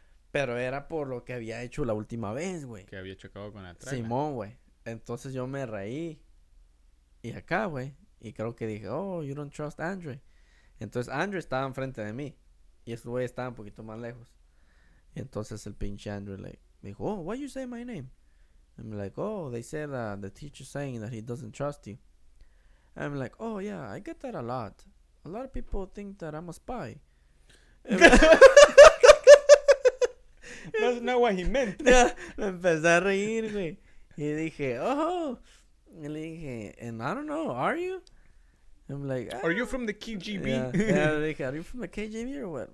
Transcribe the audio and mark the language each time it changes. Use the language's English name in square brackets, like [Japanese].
[Spanish] Pero era por lo que había hecho la última vez, güey. Que había chocado con la traga. Simón, güey. Entonces yo me reí. Y acá, güey. Y creo que dije, [English] oh, you don't trust Andre. [Spanish] Entonces, Andrew estaba enfrente de mí. Y ese güey estaba un poquito más lejos. Y entonces el pinche Andrew me dijo, [English] oh, why you say my name? And I'm like, oh, they said the teacher saying that he doesn't trust you. And I'm like, oh, yeah, I get that a lot. A lot of people think that I'm a spy. That's not what he meant. [Spanish] Yeah, me empecé a reír, güey. Y dije, oh. Y le dije, [English] and I don't know, are you? I'm like, are you from the KGB? Yeah, like, are you from the KGB or what?